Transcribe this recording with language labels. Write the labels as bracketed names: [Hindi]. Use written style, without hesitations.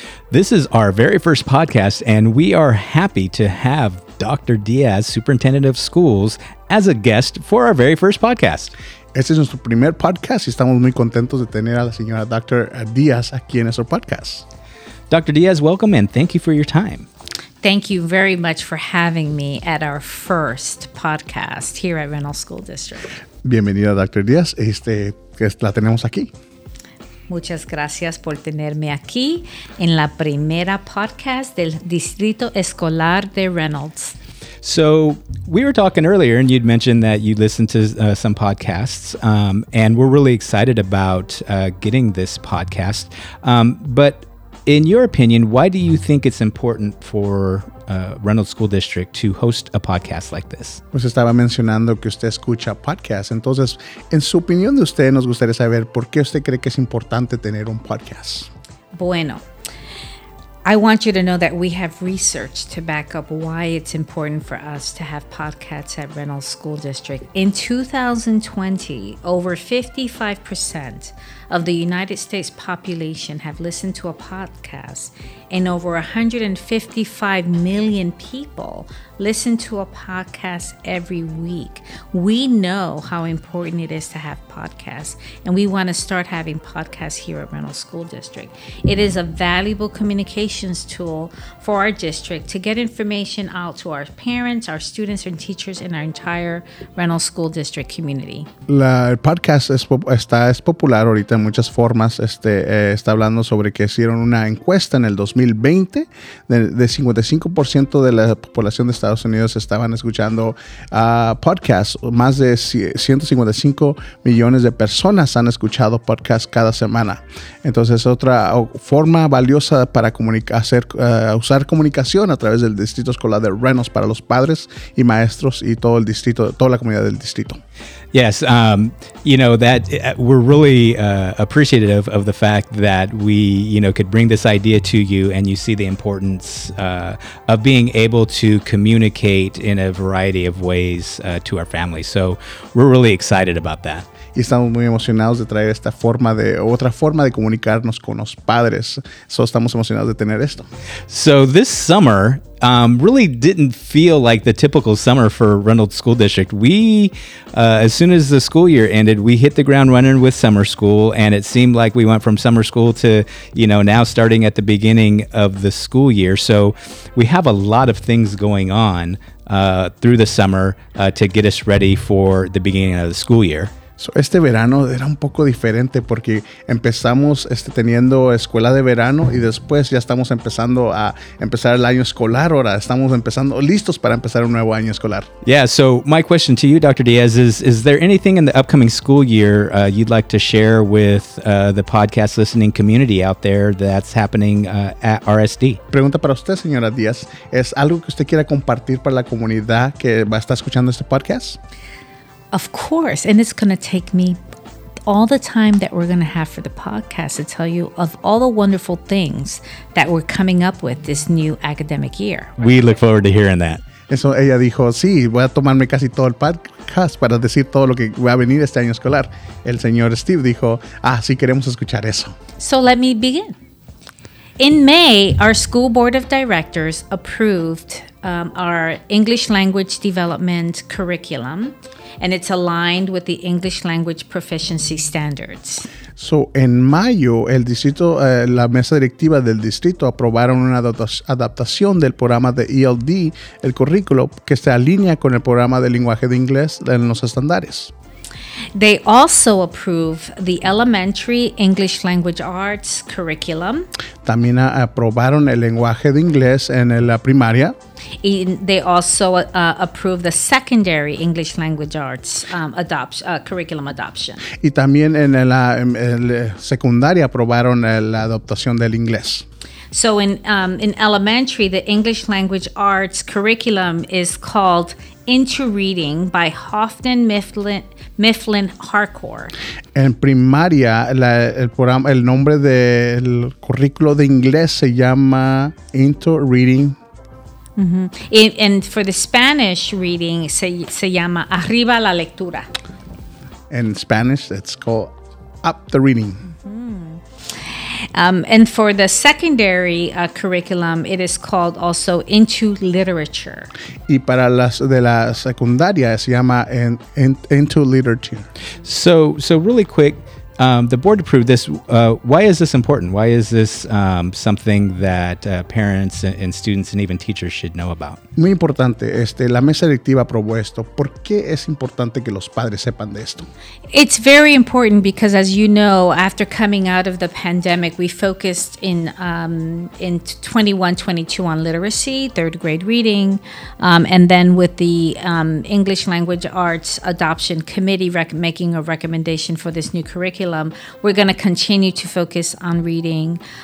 [English] This is our very first podcast, and we are happy to have Dr. Diaz, Superintendent of Schools, as a guest for our very first podcast. [Spanish] Este es nuestro primer podcast, y estamos muy contentos de tener a la señora Dr. Diaz aquí en nuestro podcast. [English] Dr. Diaz, welcome, and thank you for your time. Thank you very much for having me at our first podcast here at Reynolds School District. [Spanish] Bienvenida, Dr. Diaz. La tenemos aquí. Muchas gracias por tenerme aquí en la primera podcast del Distrito Escolar de Reynolds. [English] So, we were talking earlier, and you'd mentioned that you listened to some podcasts, and we're really excited about getting this podcast. But in your opinion, why do you think it's important for Reynolds School District to host a podcast like this? [Spanish] Pues estaba mencionando que usted escucha podcasts. Entonces, en su opinión de usted, nos gustaría saber por qué usted cree que es importante tener un podcast. [English] Bueno, I want you to know that we have research to back up why it's important for us to have podcasts at Reynolds School District. In 2020, over 55% of the United States population have listened to a podcast, and over 155 million people listen to a podcast every week. We know how important it is to have podcasts, and we want to start having podcasts here at Reynolds School District. It is a valuable communications tool for our district to get information out to our parents, our students and teachers, and our entire Reynolds School District community. [Spanish] La podcast es popular ahorita en muchas formas. Está hablando sobre que hicieron una encuesta en el 2020 de 55% de la población de Estados Unidos estaban escuchando podcasts. Más de 155 millones de personas han escuchado podcasts cada semana. Entonces, es otra forma valiosa para usar comunicación a través del Distrito Escolar de Reynolds para los padres y maestros y todo el distrito, toda la comunidad del distrito. [English] Yes, you know, that we're really appreciative of the fact that we, you know, could bring this idea to you, and you see the importance of being able to communicate in a variety of ways to our family. So we're really excited about that. [Spanish] Y estamos muy emocionados de traer esta forma de otra forma de comunicarnos con los padres. So estamos emocionados de tener esto. [English] So this summer really didn't feel like the typical summer for Reynolds School District. We, as soon as the school year ended, we hit the ground running with summer school, and it seemed like we went from summer school to, you know, now starting at the beginning of the school year. So we have a lot of things going on through the summer to get us ready for the beginning of the school year. [Spanish] So, este verano era un poco diferente porque empezamos teniendo escuela de verano y después ya estamos empezando a empezar el año escolar. Ahora estamos empezando listos para empezar un nuevo año escolar. [English] Yeah, so my question to you, Dr. Diaz, is there anything in the upcoming school year you'd like to share with the podcast listening community out there that's happening at RSD? [Spanish] Pregunta para usted, señora Diaz. ¿Es algo que usted quiera compartir para la comunidad que va a estar escuchando este podcast? [English] Of course, and it's going to take me all the time that we're going to have for the podcast to tell you of all the wonderful things that we're coming up with this new academic year. Right? We look forward to hearing that. [Spanish] Eso ella dijo, sí, voy a tomarme casi todo el podcast para decir todo lo que va a venir este año escolar. El señor Steve dijo, ah, sí, queremos escuchar eso. [English] So let me begin. In May, our school board of directors approved our English language development curriculum, and it's aligned with the English language proficiency standards. [Spanish] So, en mayo, el distrito, la mesa directiva del distrito aprobaron una adaptación del programa de ELD, el currículo, que se alinea con el programa de lenguaje de inglés en los estándares. [English] They also approve the elementary English language arts curriculum. [Spanish] También aprobaron el lenguaje de inglés en la primaria. [English] They also approve the secondary English language arts curriculum adoption. [Spanish] Y también en la secundaria aprobaron la adaptación del inglés. [English] So in elementary, the English language arts curriculum is called Into Reading by Houghton Mifflin Harcourt. [Spanish] En primaria, el programa, el nombre del currículo de inglés se llama Into Reading. [English] Mm-hmm. And for the Spanish reading, [Spanish] se llama Arriba la Lectura. [English] In Spanish, it's called Up the Reading. Mm-hmm. And for the secondary curriculum, it is called also Into Literature. [Spanish] Y para las de la secundaria, se llama Into Literature. [English] So really quick, the board approved this. Why is this important? Why is this something that parents and students and even teachers should know about? [Spanish] Muy importante. La mesa directiva aprobó esto. ¿Por qué es importante que los padres sepan de esto? [English] It's very important because, as you know, after coming out of the pandemic, we focused in 21-22 on literacy, third grade reading, and then with the English Language Arts Adoption Committee making a recommendation for this new curriculum, we're going to continue to focus on reading.